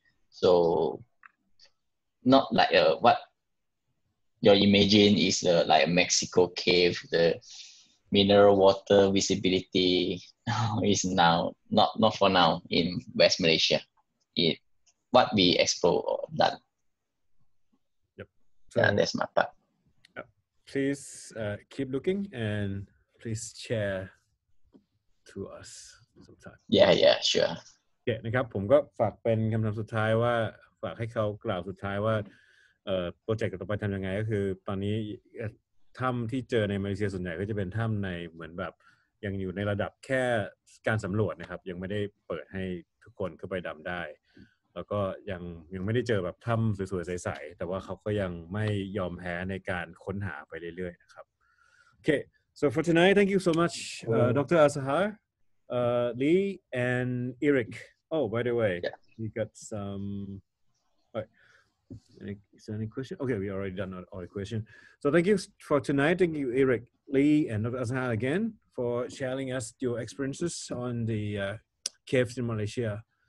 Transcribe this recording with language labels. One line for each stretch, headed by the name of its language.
English: So, not like what you imagine is like a Mexico cave, the mineral water visibility is now, not for now, in West Malaysia. What we explore or done. Yep. So, yeah, that's my part. Yep. Please keep looking and please share to us sometime. Yeah, sure.
Thai: Okay, นะครับผมก็ฝากเป็นคำถามสุดท้ายว่าฝากให้เขากล่าวสุดท้ายว่าโปรเจกต์ต่อไปทำยังไงก็คือตอนนี้ถ้ำที่เจอในมาเลเซียส่วนใหญ่ก็จะเป็นถ้ำในเหมือนแบบยังอยู่ในระดับแค่การสำรวจนะครับยังไม่ได้เปิดให้ทุกคนเข้าไปดำได้แล้วก็ยังไม่ได้เจอแบบถ้ำสวยๆใสๆแต่ว่าเขาก็ยังไม่ยอมแพ้ในการค้นหาไปเรื่อยๆนะครับโอเค
English: so for tonight thank you so much Dr. Asahar Lee and Eric oh by the way yeah. We got someIs there any question? Okay, we already done all the question. So thank you for tonight. Thank you, Eric, Lee, and Azhar again for sharing us your experiences on the caves in Malaysia.